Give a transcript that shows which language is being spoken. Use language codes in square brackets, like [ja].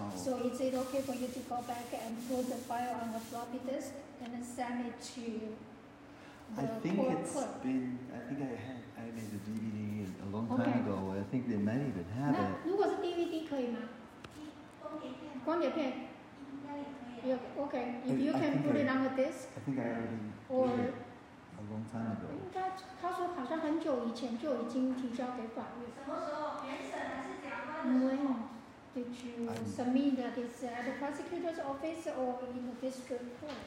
[en] So is it okay for you to go back and put the file on the floppy disk and then send it to the I made the DVD a long time ago. I think they might even have it. [zh] 如果是 DVD 可以吗？光碟片。 [en] If you can put it on the disk. I think I already did it a long time ago. [zh] 他说好像很久以前就已经提交给法院。什么时候？原审还是检察官的时候 [en] ？Did you submit that it's at the prosecutor's office or in the district court?